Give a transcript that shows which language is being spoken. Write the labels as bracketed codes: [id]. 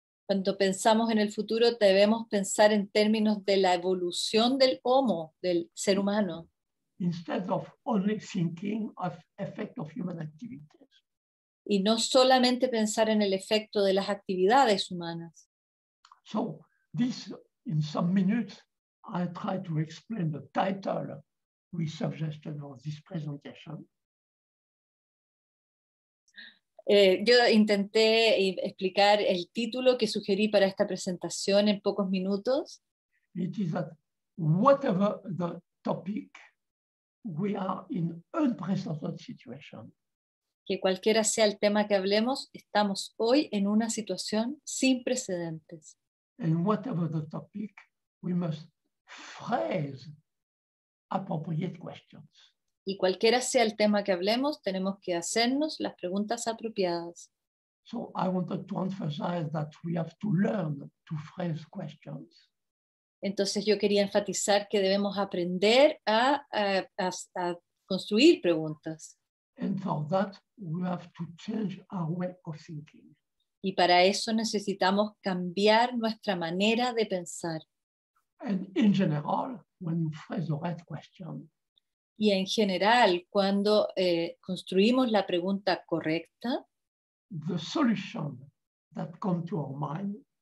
[es] Cuando pensamos en el futuro, debemos pensar en términos de la evolución del homo, del ser humano. [en] Instead of only thinking of effect of human activities. [es] Y no solamente pensar en el efecto de las actividades humanas. [en] So, this, in some minutes, I try to explain the title we suggested for this presentation. [es] Yo intenté explicar el título que sugerí para esta presentación en pocos minutos. [en] It is that whatever the topic, we are in unprecedented situation. [es] Que cualquiera sea el tema que hablemos, estamos hoy en una situación sin precedentes. [en] And whatever the topic, we must phrase appropriate questions. [es] Y cualquiera sea el tema que hablemos, tenemos que hacernos las preguntas apropiadas. [en] So I wanted to emphasize that we have to learn to phrase questions. [es] Entonces yo quería enfatizar que debemos aprender a construir preguntas. [en] And for that, we have to change our way of thinking. [es] Y para eso necesitamos cambiar nuestra manera de pensar. [en] And in general, when you phrase the right question. [es] Y en general, cuando construimos la pregunta correcta, [en] the solution that come to our mind,